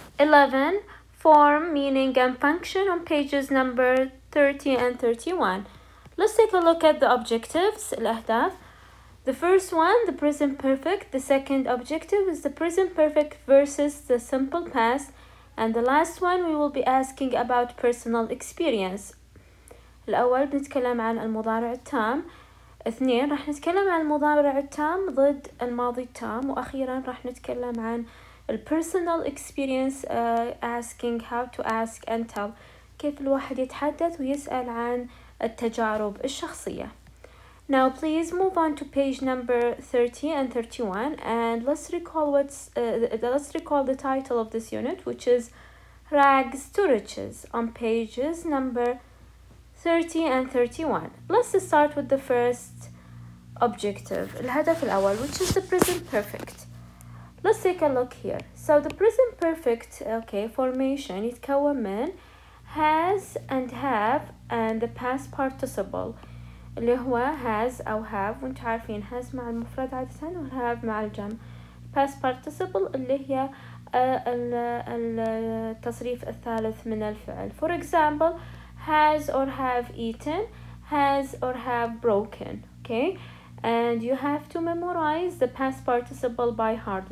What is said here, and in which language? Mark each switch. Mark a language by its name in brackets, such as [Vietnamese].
[English] 11, form, meaning, and function on pages number 30 and 31. Let's take a look at the objectives, الأهداف. The first one, the present perfect. The second objective is the present perfect versus the simple past. And the last one, we will be asking about personal experience. [Arabic] الأول بنتكلم عن المضارع التام. اثنين راح نتكلم عن المضارع التام ضد الماضي التام واخيرا راح نتكلم عن ال [English] personal experience asking how to ask and tell [Arabic] كيف الواحد يتحدث ويسأل عن التجارب الشخصية. [English] Now please move on to page number 30 and 31 and let's recall the title of this unit, which is rags to riches on pages number 30 and 31. Let's start with the first objective, [Arabic] الهدف الأول, [English] which is the present perfect. Let's take a look here. So the present perfect, okay, formation, [Arabic] يتكون من [English] has and have and the past participle, [Arabic] اللي هو [English] has أو have. [Arabic] وانتو عارفين has مع المفرد عادة و have مع الجمع. Past participle اللي هي التصريف الثالث من الفعل. [English] For example, has or have eaten, has or have broken, okay? And you have to memorize the past participle by heart.